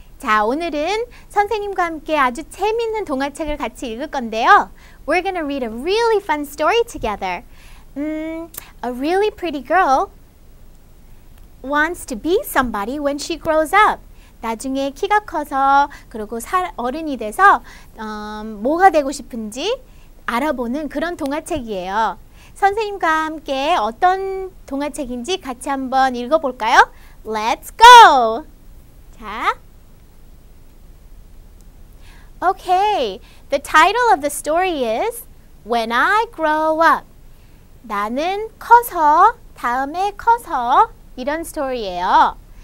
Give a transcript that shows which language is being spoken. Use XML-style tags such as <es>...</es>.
<ko>자, 오늘은 선생님과 함께 아주 재미있는 동화책을 같이 읽을 건데요.</ko> <en>We're gonna read a really fun story together. A really pretty girl wants to be somebody when she grows up.</en> <ko>나중에 키가 커서 그리고 어른이 돼서 뭐가 되고 싶은지 알아보는 그런 동화책이에요. 선생님과 함께 어떤 동화책인지 같이 한번 읽어볼까요?</ko> <en>Let's go! 자. Okay, the title of the story is When I Grow Up.</en> <ko>나는 커서, 다음에 커서 이런 스토리예요.</ko>